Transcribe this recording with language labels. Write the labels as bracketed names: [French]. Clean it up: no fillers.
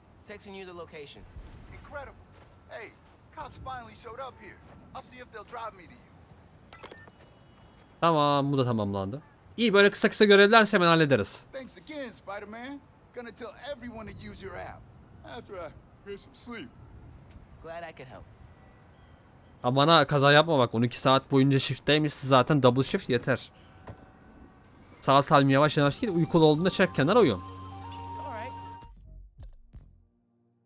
[English] Texting you the location. Incredible. Hey, cops finally showed up here. I'll see if they'll drive me to you. [Turkish] Tamam, bu da tamamlandı. İyi, böyle kısa kısa görevlerse hemen hallederiz. [English] Thanks again, Spider-Man. Gonna tell everyone to use your app. After I get some sleep. Glad I could help. [Turkish] Aman ha, kaza yapma bak, 12 saat boyunca shift'teymişsin zaten, double shift yeter. Sağ salim, yavaş yavaş git, uykulu olduğunda çek kenara uyun. [English] Alright.